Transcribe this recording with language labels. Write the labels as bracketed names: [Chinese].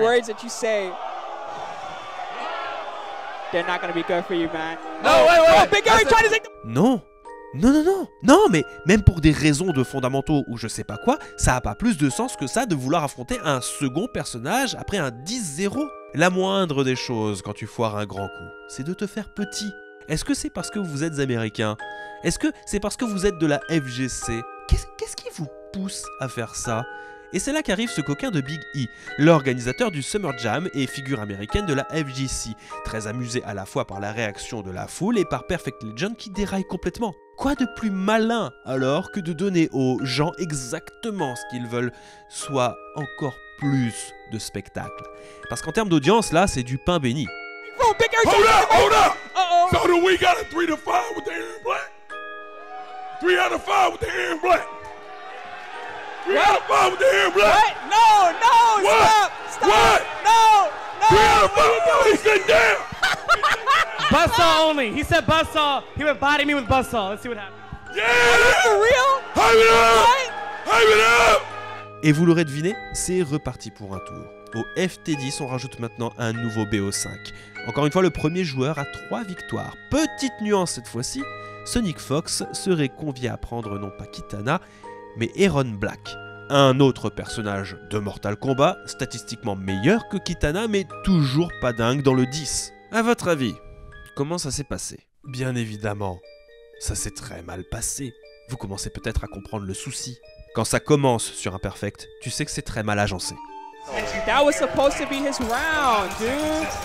[English] Words that you say, they're not gonna be good for you, man. No, wait. Big Aaron trying to take. [French] Non, mais même pour des raisons de fondamentaux ou je sais pas quoi, ça a pas plus de sens que ça de vouloir affronter un second personnage après un 10-0. La moindre des choses quand tu foires un grand coup, c'est de te faire petit. Est-ce que c'est parce que vous êtes américain? Est-ce que c'est parce que vous êtes de la FGC? Qu'est-ce qui vous pousse à faire ça? Et c'est là qu'arrive ce coquin de Big E, l'organisateur du Summer Jam et figure américaine de la FGC, très amusé à la fois par la réaction de la foule et par Perfect Legend qui déraille complètement. Quoi de plus malin alors que de donner aux gens exactement ce qu'ils veulent, soit encore plus de spectacle? Parce qu'en termes d'audience, là, c'est du pain béni. [English] Oh, Big Air, hold up! So do we got a 3-5 with the Aaron Black? 3 out of 5 with the Aaron Black? 3 out of 5 with the Aaron Black? What? No! What? Stop! What? No! 3 out of 5! He said damn! Buzzsaw only. He said buzzsaw. He would body me with buzzsaw. Let's see what happens. Yeah! Are you for real? Hype it up! What? Hype it up! [French] Et vous l'aurez deviné, c'est reparti pour un tour. Au FT10, on rajoute maintenant un nouveau BO5. Encore une fois, le premier joueur a 3 victoires. Petite nuance cette fois-ci, Sonic Fox serait convié à prendre non pas Kitana, mais Aaron Black. Un autre personnage de Mortal Kombat, statistiquement meilleur que Kitana, mais toujours pas dingue dans le 10. A votre avis, comment ça s'est passé? Bien évidemment, ça s'est très mal passé. Vous commencez peut-être à comprendre le souci. Quand ça commence sur Imperfect, tu sais que c'est très mal agencé. [English] That was supposed to be his round, dude.